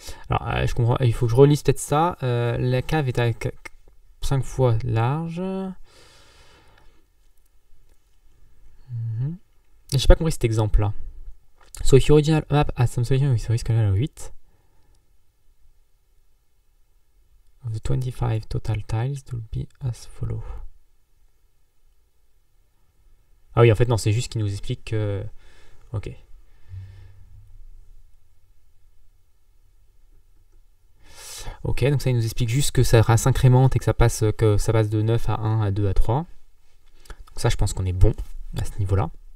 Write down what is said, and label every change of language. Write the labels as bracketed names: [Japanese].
[French] Alors, je comprends, il faut que je relise peut-être ça. La cave est à 5 fois large. J'ai pas compris cet exemple-là. [English] So, if your original map has some solution with a risk level of 8, of the 25 total tiles will be as follow. [French] Ah oui, en fait, non, c'est juste qu'il nous explique que. Ok. Ok, donc ça il nous explique juste que ça s'incrémente et que ça passe de 9 à 1 à 2 à 3. Donc ça je pense qu'on est bon à ce niveau-là.